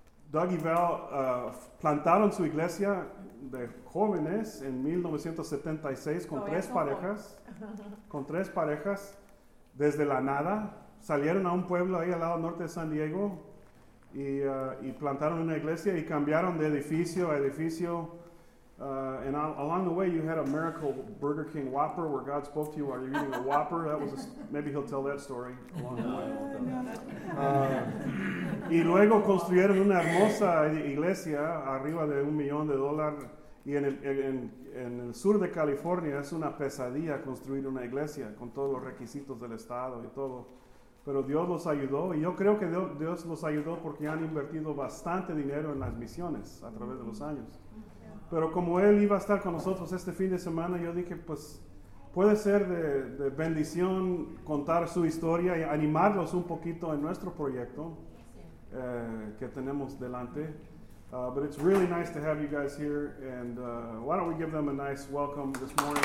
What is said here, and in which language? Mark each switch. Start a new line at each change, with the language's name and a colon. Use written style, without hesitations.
Spanish: Doug y Val plantaron su iglesia de jóvenes en 1976 con tres parejas desde la nada. Salieron a un pueblo ahí al lado norte de San Diego y plantaron una iglesia y cambiaron de edificio a edificio.
English: And along the way, you had a miracle Burger King Whopper where God spoke to you while you're eating a Whopper. That was maybe he'll tell that story along the way.
Spanish: Y luego construyeron una hermosa iglesia arriba de $1 million. Y en el sur de California es una pesadilla construir una iglesia con todos los requisitos del estado y todo. Pero Dios los ayudó, y yo creo que Dios los ayudó porque han invertido bastante dinero en las misiones a través de los años. Pero como él iba a estar con nosotros este fin de semana, yo dije, pues, puede ser de bendición contar su historia y animarlos un poquito en nuestro proyecto que tenemos delante.
English: But it's really nice to have you guys here, and why don't we give them a nice welcome this morning.